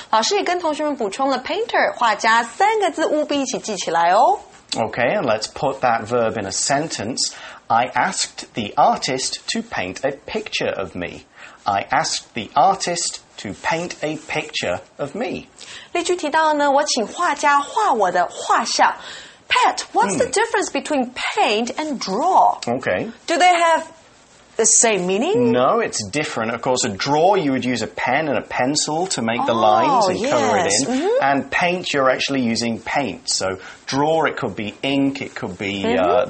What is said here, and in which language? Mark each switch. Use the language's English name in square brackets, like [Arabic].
[Chinese] 老师也跟同学们补充了 painter, 画家三个字务必一起记起来哦。 [English] Okay, and let's put that verb in a sentence. I asked the artist to paint a picture of me. I asked the artist to paint a picture of me. [Chinese] 例句提到呢，我请画家画我的画像。 [English] Pat, what's the difference between paint and draw? Okay. Do they have... the same meaning? No, it's different. Of course, a draw, you would use a pen and a pencil to make the lines and、 yes. color it in.、 Mm-hmm. And paint, you're actually using paint. So draw, it could be ink, it could be、mm-hmm.